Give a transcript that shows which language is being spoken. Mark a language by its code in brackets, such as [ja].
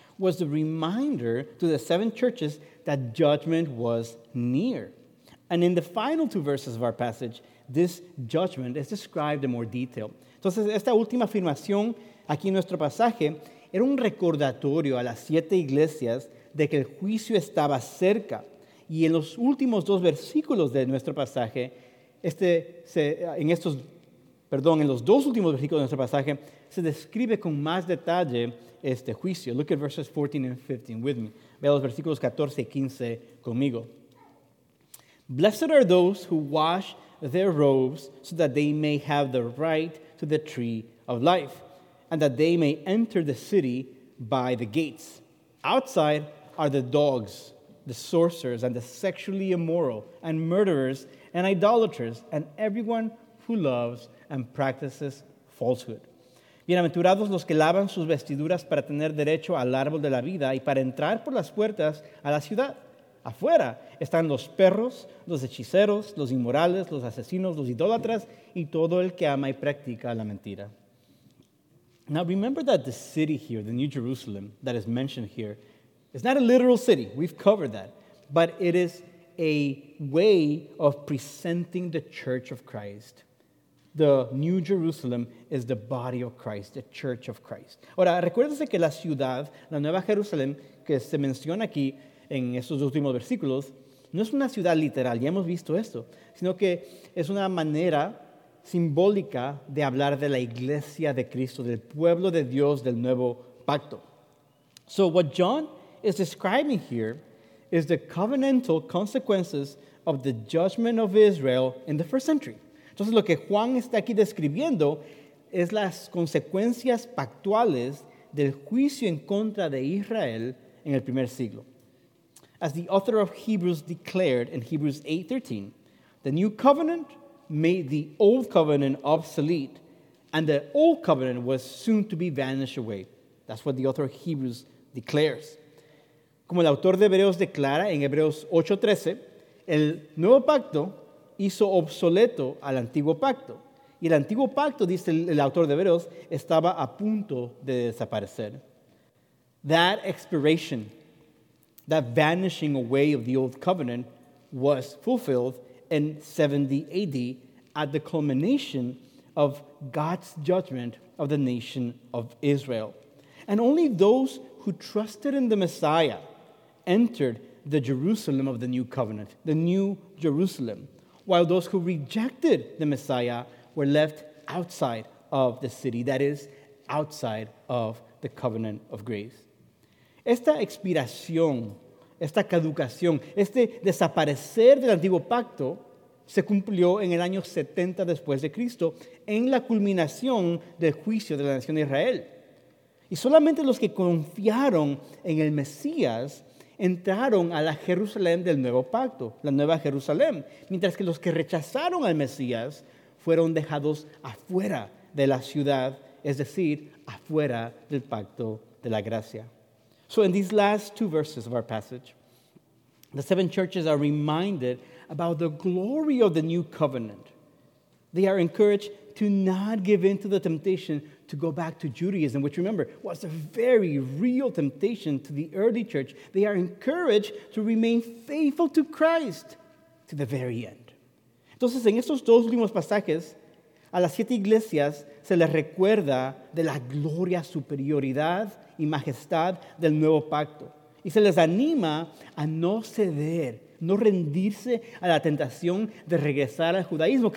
[en] was the reminder to the seven churches that judgment was near. And in the final two verses of our passage, this judgment is described in more detail. [es] Entonces, esta última afirmación aquí en nuestro pasaje era un recordatorio a las siete iglesias de que el juicio estaba cerca. Y en los últimos dos versículos de nuestro pasaje, en los dos últimos versículos de nuestro pasaje, se describe con más detalle este juicio. [en] Look at verses 14 and 15 with me. [es] Vea los versículos 14 y 15 conmigo. [en] Blessed are those who wash their robes so that they may have the right to the tree of life, and that they may enter the city by the gates. Outside are the dogs, the sorcerers, and the sexually immoral, and murderers, and idolaters, and everyone who loves and practices falsehood. [es] Bienaventurados los que lavan sus vestiduras para tener derecho al árbol de la vida y para entrar por las puertas a la ciudad. Afuera están los perros, los hechiceros, los inmorales, los asesinos, los idólatras, y todo el que ama y practica la mentira. [en] Now remember that the city here, the New Jerusalem, that is mentioned here, it's not a literal city, we've covered that, but it is a way of presenting the church of Christ. The New Jerusalem is the body of Christ, the church of Christ. [es] Ahora, recuérdese que la ciudad, la Nueva Jerusalén, que se menciona aquí en estos últimos versículos, no es una ciudad literal, ya hemos visto esto, sino que es una manera simbólica de hablar de la iglesia de Cristo, del pueblo de Dios del nuevo pacto. [en] So what John is describing here is the covenantal consequences of the judgment of Israel in the first century. [es] Entonces, lo que Juan está aquí describiendo es las consecuencias pactuales del juicio en contra de Israel en el primer siglo. [en] As the author of Hebrews declared in Hebrews 8:13, the new covenant made the old covenant obsolete, and the old covenant was soon to be vanished away. That's what the author of Hebrews declares. [es] Como el autor de Hebreos declara en Hebreos 8:13, el nuevo pacto hizo obsoleto al antiguo pacto. Y el antiguo pacto, dice el autor de Hebreos, estaba a punto de desaparecer. [en] That expiration, that vanishing away of the old covenant, was fulfilled in 70 AD at the culmination of God's judgment of the nation of Israel. And only those who trusted in the Messiah entered the Jerusalem of the new covenant, the new Jerusalem, while those who rejected the Messiah were left outside of the city, that is, outside of the covenant of grace. [es] Esta expiración, esta caducación, este desaparecer del antiguo pacto se cumplió en el año 70 después de Cristo, en la culminación del juicio de la nación de Israel. Y solamente los que confiaron en el Mesías entraron a la Jerusalén del Nuevo Pacto, la Nueva Jerusalén, mientras que los que rechazaron al Mesías fueron dejados afuera de la ciudad, es decir, afuera del Pacto de la Gracia. [en] So in these last two verses of our passage, the seven churches are reminded about the glory of the new covenant. They are encouraged to not give in to the temptation to go back to Judaism, which, remember, was a very real temptation to the early church. They are encouraged to remain faithful to Christ to the very end. [es] Entonces, en estos dos últimos pasajes, a las siete iglesias se les recuerda de la gloria, superioridad y majestad del nuevo pacto. Y se les anima a no ceder, no rendirse a la tentación de regresar al judaísmo.